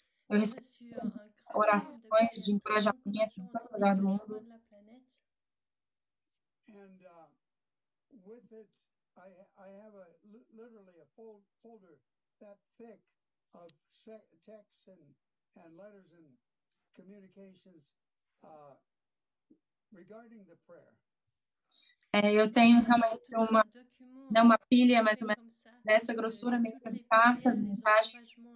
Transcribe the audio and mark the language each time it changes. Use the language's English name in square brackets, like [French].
[Portuguese] Eu recebi orações de encorajamento de todo o mundo. [English] And with it, I have a literally a folder that thick of texts and letters and communications regarding the prayer. [Portuguese] Eu tenho realmente uma pilha mais ou menos dessa grossura, meio de cartas, mensagens,